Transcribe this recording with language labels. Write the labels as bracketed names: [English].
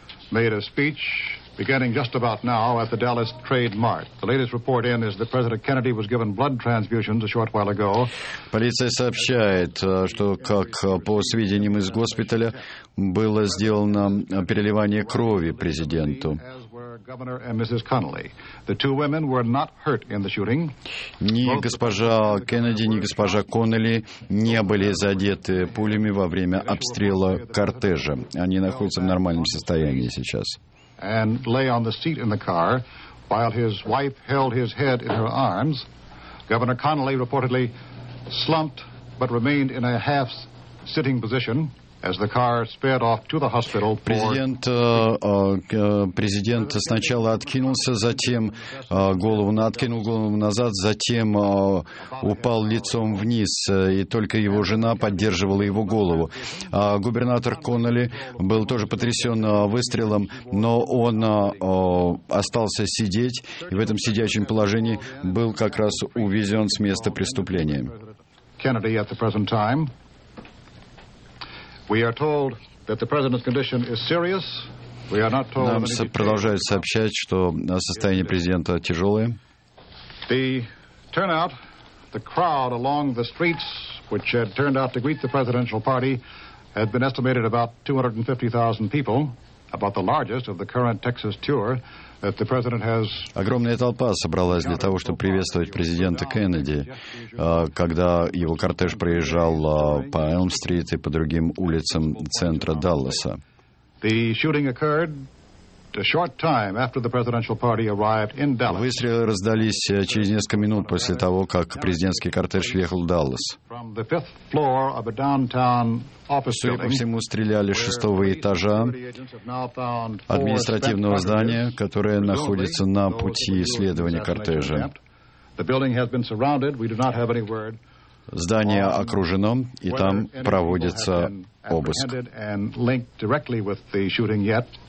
[English] Made a speech beginning just about now at the Dallas Trade Mart. The latest report in is that President Kennedy was given blood transfusions a short while ago. [Russian] Полиция сообщает, что, как по сведениям из госпиталя, было сделано переливание крови президенту. [English] Governor and Mrs. Connally. The two women were not hurt in the shooting. [Russian] Ни госпожа Кеннеди, ни госпожа Коннелли не были задеты пулями во время обстрела кортежа. Они находятся в нормальном состоянии сейчас. [English] And lay on the seat in the car while his wife held his head in her arms. Governor Connally reportedly slumped but remained in a half sitting position. As the car sped off to the hospital, [Russian] президент сначала откинулся, затем откинул голову назад, затем упал лицом вниз, и только его жена поддерживала его голову. Губернатор Коннелли был тоже потрясен выстрелом, но он остался сидеть, и в этом сидячем положении был как раз увезен с места преступления. [English] Kennedy at the present time. We are told that the president's condition is serious. We are not told. [Russian] Нам продолжают сообщать, что состояние президента тяжелое. [English] The turnout, the crowd along the streets, which had turned out to greet the presidential party, had been estimated about 250,000 people, about the largest of the current Texas tour that the president has. [Russian] Огромная толпа собралась для того, чтобы приветствовать президента Кеннеди, когда его кортеж проезжал по Элм-стрит и по другим улицам центра Далласа. [English] The shooting occurred a short time after the presidential party arrived in Dallas. [Russian] Выстрелы раздались через несколько минут после того, как президентский кортеж въехал в Даллас. [English] From the fifth floor of a downtown office building. [Russian] Судя по всему, стреляли с шестого этажа административного здания, которое находится на пути следования кортежа. [English] The building has been surrounded. We do not have any word. [Russian] Здание окружено, и там проводится обыск. [English] And linked directly with the shooting yet.